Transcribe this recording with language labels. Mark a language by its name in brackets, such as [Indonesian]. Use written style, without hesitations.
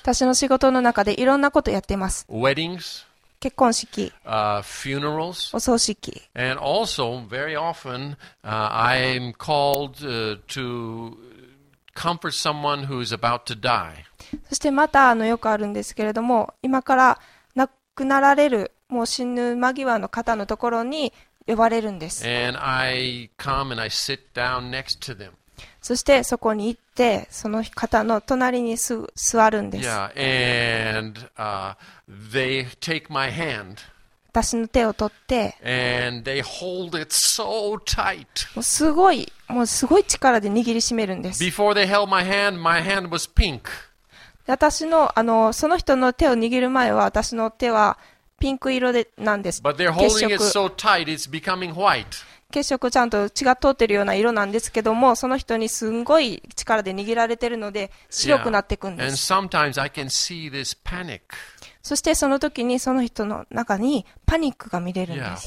[Japanese] 私の仕事の中でいろんなことをやっています。 [English] Weddings. [Japanese] 結婚式。 [English] Funerals. [Japanese] お葬式。 [English] And also, very often, I'm called to comfort someone who is about to die. [Japanese] そしてまたよくあるんですけれども、今から亡くなられるもう死ぬ間際の方のところに。呼ばれるんです。 [English] And I come and I sit down next to them. [Japanese] そしてそこに行ってその方の隣に座るんです。 [English] Yeah, and they take my hand. [Japanese] 私の手を取って。 [English] And they hold it so tight. [Japanese] もうすごい力で握りしめるんです。 [English] Before they held my hand was pink. [Japanese] 私のその人の手を握る前は私の手はピンク色でなんです。 [English] But they're holding it so tight, it's becoming white. [Japanese] 血色ちゃんと血が通ってるような色なんですけども、その人にすんごい力で握られてるので白くなっていくんです。 [English] Yeah. And sometimes I can see this panic. [Japanese] そしてその時にその人の中にパニックが見れるんです。